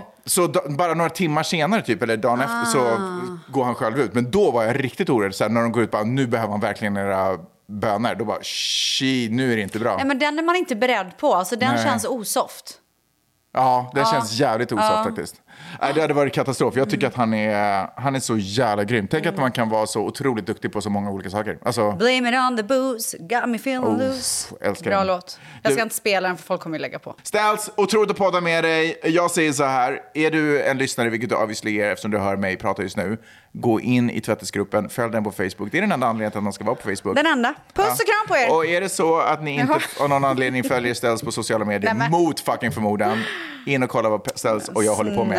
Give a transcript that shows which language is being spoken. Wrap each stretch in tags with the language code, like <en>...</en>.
<sv>Ja, så bara några timmar senare typ, eller dagen efter, så går han själv ut. Men då var jag riktigt orolig, så här, när de går ut bara, nu behöver man verkligen era bönor. Då bara, nu är det inte bra. Nej, men den är man inte beredd på, alltså den Nej. Känns osoft. Ja, den känns jävligt osoft faktiskt. Nej, det hade varit katastrof. Jag tycker att han är så jävla grym. Tänk att man kan vara så otroligt duktig på så många olika saker. Alltså...</sv> <en>Blame it on the booze, got me feeling loose.</en> <sv>Älskar bra den. Låt. Jag ska inte spela den, för folk kommer ju lägga på. Ställs, otroligt att podda med dig. Jag säger så här, är du en lyssnare, vilket du obviously är eftersom du hör mig prata just nu, gå in i tvättesgruppen, följ den på Facebook. Det är den enda anledningen att man ska vara på Facebook. Den enda. Puss och kram på er. Och är det så att ni inte av någon anledning följer Ställs på sociala medier, nej, mot fucking förmodan, in och kolla vad Ställs och jag håller på med.</sv>